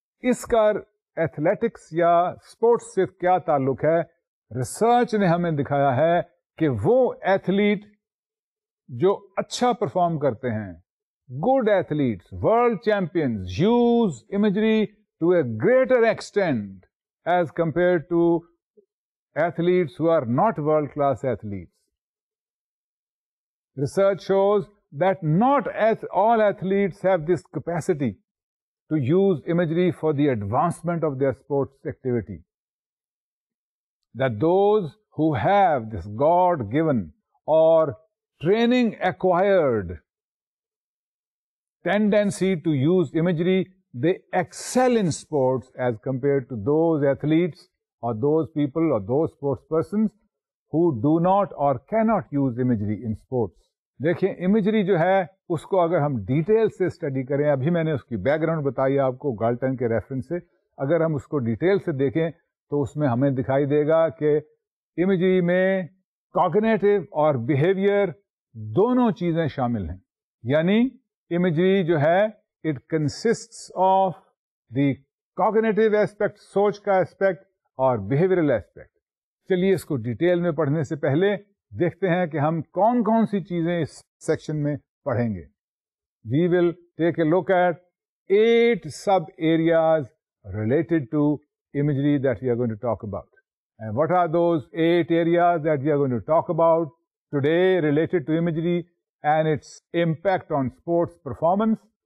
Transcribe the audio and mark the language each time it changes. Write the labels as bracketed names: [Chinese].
[Urdu] اس کا ایتھلیٹکس یا اسپورٹس سے کیا تعلق ہے؟ ریسرچ نے ہمیں دکھایا ہے کہ وہ ایتھلیٹ جو اچھا پرفارم کرتے ہیں, [English] good athletes, world champions use imagery to a greater extent as compared to athletes who are not world-class athletes. Research shows that not all athletes have this capacity to use imagery for the advancement of their sports activity. That those who have this God-given or training-acquired tendency to use imagery, they excel in sports as compared to those athletes or those people or those sports persons who do not or cannot use imagery in sports. [Urdu] دیکھیں imagery جو ہے اس کو اگر ہم detail سے study کریں, ابھی میں نے اس کی بیک گراؤنڈ بتائی آپ کو گالٹن کے ریفرنس سے, اگر ہم اس کو ڈیٹیل سے دیکھیں تو اس میں ہمیں دکھائی دے گا کہ imagery میں کاگنیٹو اور بیہیویئر دونوں چیزیں شامل ہیں. یعنی imagery جو ہے [English] it consists of the cognitive aspect, [Urdu] سوچ کا aspect اور behavioral aspect. چلیے اس کو ڈیٹیل میں پڑھنے سے پہلے دیکھتے ہیں کہ ہم کون کون سی چیزیں اس سیکشن میں پڑھیں گے. [English] We will take a look at eight sub areas related to imagery that we are going to talk about. And what are those 8 areas that we are going to talk about today related to imagery and its impact on sports performance?